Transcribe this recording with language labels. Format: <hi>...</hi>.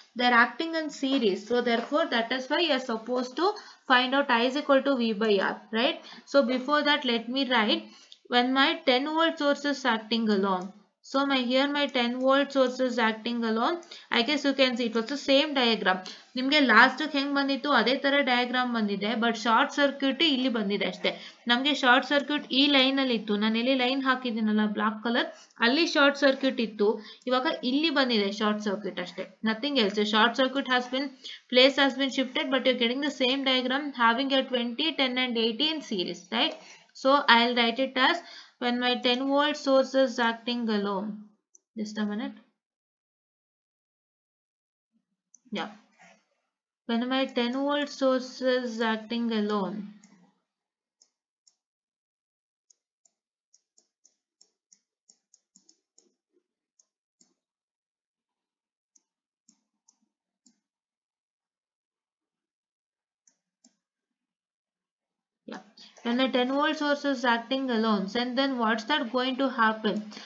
<en>They're acting in series. So therefore, that is why you're supposed to find out I is equal to V by R, right? So before that, let me write, when my 10 volt source is acting alone. So my here my 10 volt source is acting alone. I guess you can see it was the same diagram.</en> <kn>ನಿಮಗೆ last ಹೆಂಗ್ ಬಂದಿತ್ತು ಅದೇ ತರ diagram ಬಂದಿದೆ, but short circuit ಇಲ್ಲಿ ಬಂದಿದೆ ಅಷ್ಟೇ. ನಮಗೆ ಶಾರ್ಟ್ ಸರ್ಕ್ಯೂಟ್ ಈ ಲೈನ್ ಅಲ್ಲಿ ಇತ್ತು, ನಾನು ಇಲ್ಲಿ ಲೈನ್ ಹಾಕಿದ್ದೀನಲ್ಲ ಬ್ಲಾಕ್ ಕಲರ್, ಅಲ್ಲಿ ಶಾರ್ಟ್ ಸರ್ಕ್ಯೂಟ್ ಇತ್ತು, ಇವಾಗ ಇಲ್ಲಿ ಬಂದಿದೆ ಶಾರ್ಟ್ ಸರ್ಕ್ಯೂಟ್ ಅಷ್ಟೇ,</kn> <en>Nothing else. Short circuit has been placed has been shifted, but you getting the same diagram having your 20, 10 and 80 in series, right? So I will write it as, when my 10 volt source is acting alone. Just a minute. Yeah, when my 10 volt source is acting alone, yeah, when the 10 volt source is acting alone, and then what's that going to happen?</en>